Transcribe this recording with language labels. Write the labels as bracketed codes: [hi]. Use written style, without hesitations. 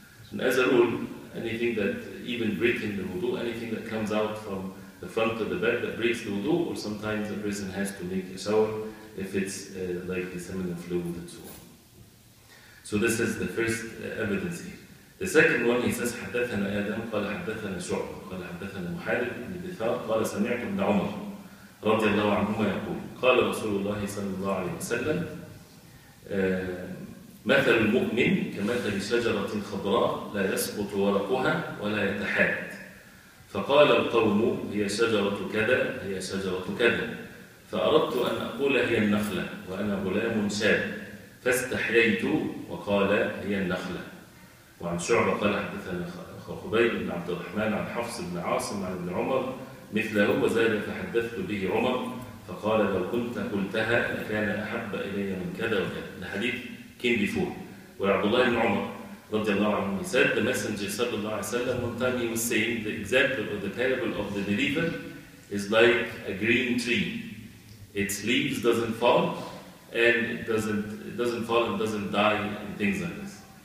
[en] And as a rule, anything that, even breaking the wudu, anything that comes out from the front of the bed that breaks the wudu, or sometimes a person has to make a shower if it's like the seminal fluid and so on. So this is the first evidence here. The second one, he says, [ar] حدثنا آدم قال حدثنا شعب قال حدثنا محارب بن دثار قال سمعت ابن عمر رضي الله عنهما يقول قال رسول الله صلى الله عليه وسلم مثل المؤمن كمثل شجرة خضراء لا يسقط ورقها ولا يتحاد. فقال القوم هي شجرة كذا هي شجرة كذا. فأردت أن أقول هي النخلة وأنا غلام شاب، فاستحييت وقال هي النخلة. وعن شعبة قال حدثنا خبيب بن عبد الرحمن عن حفص بن عاصم عن ابن عمر مثله، وزاد فحدثت به عمر فقال لو كنت قلتها لكان أحب إلي من كذا وكذا. [en] الحديث came before. Where Abdullah ibn Umar رضي الله عنه, he said, the Messenger صلى الله عليه وسلم, one time he was saying, the example or the parable of the believer is like a green tree. Its leaves doesn't fall, and it doesn't fall and doesn't die and things like this.